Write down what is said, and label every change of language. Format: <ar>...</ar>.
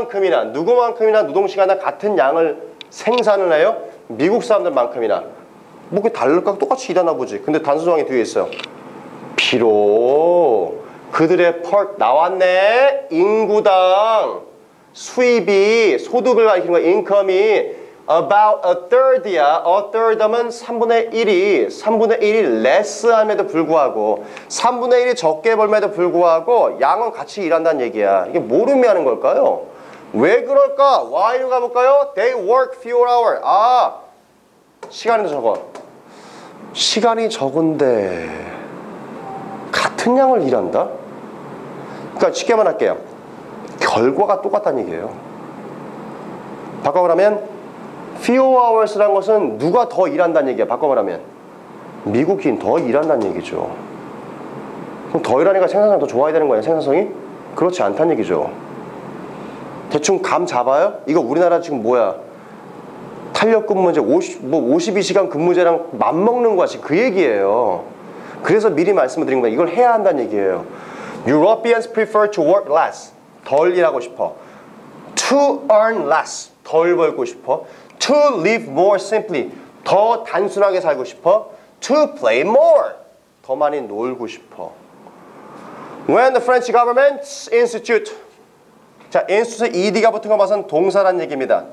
<ko>누구만큼이나 노동시간이나 같은 양을 생산을 해요? 미국 사람들만큼이나. 뭐 그게 다를까? 똑같이 일하나 보지. 근데 단순조항이 뒤에 있어요. 비록 그들의 per 나왔네. 인구당 수입이, 소득을 가리키는 거야.</ko> <en>income이 about a third</en> <ko>이야.</ko> <en>a third</en> <ko>하면 3분의 1이 less함에도 불구하고, 3분의 1이 적게 벌매도 불구하고 양은 같이 일한다는 얘기야. 이게 뭘 의미하는 걸까요? 왜 그럴까? why로 가볼까요?</ko> <en>they work fewer hours.</en> <ko>아, 시간도 적어. 시간이 적은데 같은 양을 일한다? 그러니까 쉽게만 할게요. 결과가 똑같다는 얘기예요. 바꿔보라면 few hours라는 것은 누가 더 일한다는 얘기야. 바꿔보라면 미국인 더 일한다는 얘기죠. 그럼 더 일하니까 생산성이 더 좋아야 되는 거야. 생산성이? 그렇지 않다는 얘기죠. 대충 감 잡아요? 이거 우리나라 지금 뭐야? 탄력근무제 52시간 근무제랑 맞먹는 거야. 그 얘기예요. 그래서 미리 말씀드린 거예요. 이걸 해야 한다는 얘기예요.</ko> <en>Europeans prefer to work less.</en> <ko>덜 일하고 싶어.</ko> <en>To earn less.</en> <ko>덜 벌고 싶어.</ko> <en>To live more simply.</en> <ko>더 단순하게 살고 싶어.</ko> <en>To play more.</en> <ko>더 많이 놀고 싶어.</ko> <en>When the French government institute.</en> <ko>자, institute에 ed가 붙은 거 봐서는 동사란 얘기입니다.</ko>